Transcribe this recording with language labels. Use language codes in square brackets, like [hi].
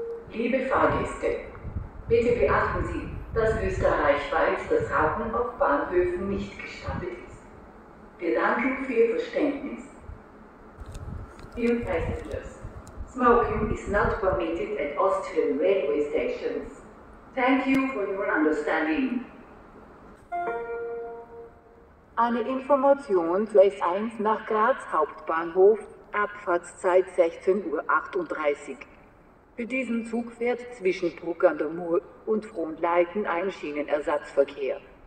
[de] Liebe Fahrgäste, bitte beachten Sie, dass österreichweit das Rauchen auf Bahnhöfen nicht gestattet ist. Wir danken für Ihr Verständnis. [en] Dear passengers, smoking is not permitted at Austrian railway stations. Thank you for your understanding. [de] Eine Information zu S1 nach Graz Hauptbahnhof, Abfahrtszeit 16.38 Uhr. Für diesen Zug fährt zwischen Bruck an der Mur und Frohnleiten ein Schienenersatzverkehr.